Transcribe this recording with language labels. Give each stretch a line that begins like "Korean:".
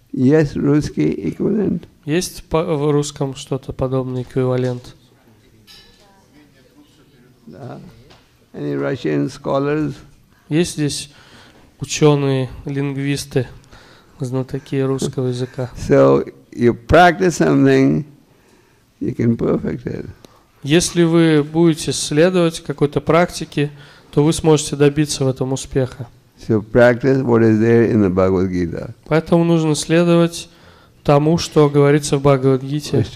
Russian: Есть русский эквивалент? Есть в русском что-то подобное, эквивалент? Да.
English: Any Russian scholars?
Russian: Есть здесь ученые, лингвисты, знатоки русского языка?
English: So you practice something, you can perfect it.
Russian: Если вы будете следовать какой-то практике, то вы сможете добиться в этом успеха.
English: So practice what is there in the Bhagavad Gita.
Russian: Поэтому нужно следовать тому, что говорится в Бхагавад-гите.